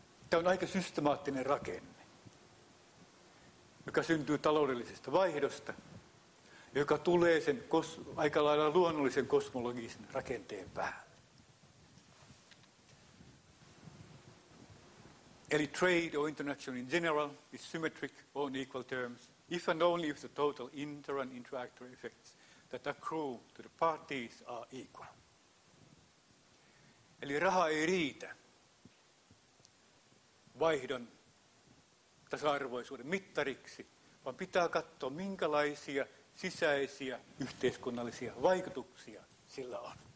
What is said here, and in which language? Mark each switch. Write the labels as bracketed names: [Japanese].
[Finnish] Tämä on aika systemaattinen rakenne, joka syntyy taloudellisesta vaihdosta, joka tulee sen aika lailla luonnollisen kosmologisen rakenteen päälle. Eli [English] trade or international in general is symmetric or in equal terms, if and only if the total inter- and interactor effects that accrue to the parties are equal. [Finnish] Eli raha ei riitä vaihdon tasa-arvoisuuden mittariksi, vaan pitää katsoa, minkälaisia sisäisiä yhteiskunnallisia vaikutuksia sillä on.